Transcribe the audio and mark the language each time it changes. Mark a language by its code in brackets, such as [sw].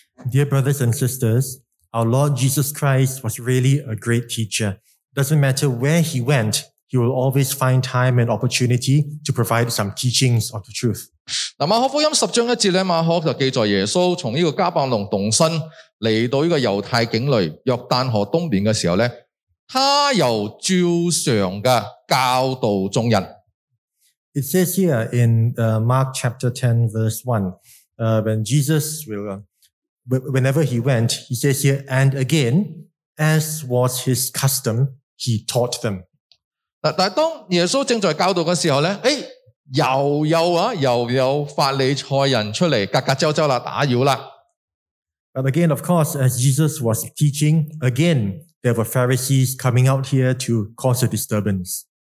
[en] Dear brothers and sisters, our Lord Jesus Christ was really a great teacher. Doesn't matter where he went, he will always find time and opportunity to provide some teachings of the truth. [zh] 马可福音10章1节，马可就记载耶稣从这个加百农动身来到这个犹太境内约旦河东边的时候，他又照常的教导众人。 [en] It says here in Mark chapter 10 verse 1, when Jesus will... Whenever he went, he says here, and again, as was his custom, he taught them. [zh] 但当耶稣正在教导的时候，又有法利赛人出来，格格招招，打扰了。 [en] But again, of course, as Jesus was teaching, again, there were Pharisees coming out here to cause a disturbance.